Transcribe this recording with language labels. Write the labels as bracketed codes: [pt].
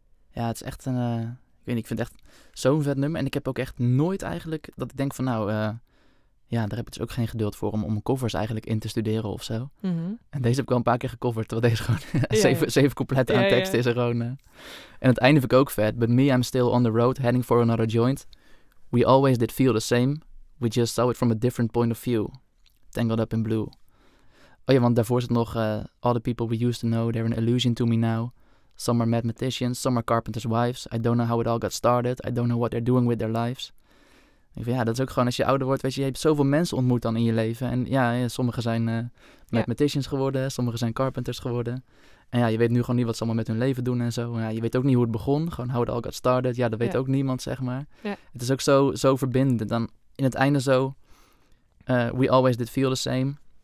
[nl] Ja, het is echt een, ik weet niet, ik vind het echt zo'n vet nummer. En ik heb ook echt nooit eigenlijk, dat ik denk van nou, ja, daar heb ik dus ook geen geduld voor om covers eigenlijk in te studeren of zo. Mm-hmm. En deze heb ik al een paar keer gecoverd, terwijl deze gewoon, ja, 7 coupletten, ja, aan tekst, ja, is er gewoon. En het einde vind ik ook vet. [en] But me, I'm still on the road, heading for another joint. We always did feel the same. We just saw it from a different point of view. Tangled up in blue. [nl] Oh ja, want daarvoor zit nog, [en] all the people we used to know, they're an illusion to me now. Some are mathematicians, some are carpenters' wives. I don't know how it all got started. I don't know what they're doing with their lives. [nl] Ik vind, ja, dat is ook gewoon als je ouder wordt, weet je hebt zoveel mensen ontmoet dan in je leven. En ja, sommigen zijn mathematicians geworden, sommigen zijn carpenters geworden. En ja, je weet nu gewoon niet wat ze allemaal met hun leven doen en zo. Ja, je weet ook niet hoe het begon, gewoon [en] how it all got started. [nl] Ja, dat weet ook niemand, zeg maar. Ja. Het is ook zo verbindend. Dan in het einde zo, [en] we always did feel the same.